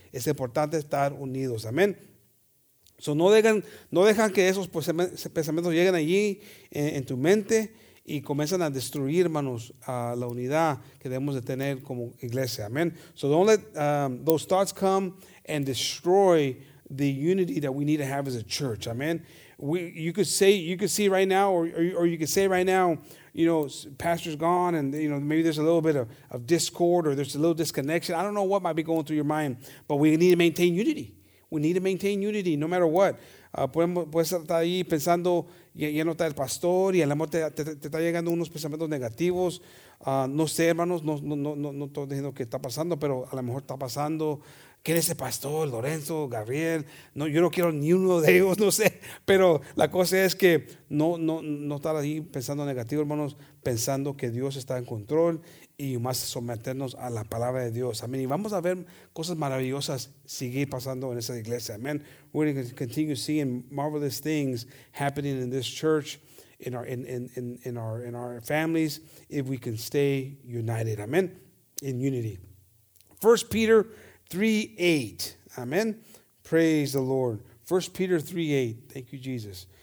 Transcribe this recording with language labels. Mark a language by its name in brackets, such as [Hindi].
[Spanish] Es importante estar unidos. Amén. So no dejan que esos pensamientos lleguen allí en tu mente y comienzan a destruir, hermanos, la unidad que debemos de tener como iglesia. Amén. [English] So don't let those thoughts come and destroy the unity that we need to have as a church. Amen. You could say right now, you know, pastor's gone, and you know, maybe there's a little bit of discord or there's a little disconnection. I don't know what might be going through your mind, but we need to maintain unity. We need to maintain unity no matter what. [Spanish] Puedes estar ahí pensando, ya no está el pastor, y a lo mejor te está llegando unos pensamientos negativos. No sé, hermanos, no estoy diciendo que está pasando, pero a lo mejor está pasando. ¿Quién es el pastor? Lorenzo, Gabriel. No, yo no quiero ni uno de ellos, no sé. Pero la cosa es que no estar ahí pensando negativo, hermanos, pensando que Dios está en control y más someternos a la palabra de Dios. Amén. Y vamos a ver cosas maravillosas seguir pasando en esa iglesia. Amén. [English] We're going to continue seeing marvelous things happening in this church, in our families, if we can stay united. Amén. In unity. 1 Peter 3:8. Amen. Praise the Lord. 1 Peter 3:8. Thank you, Jesus.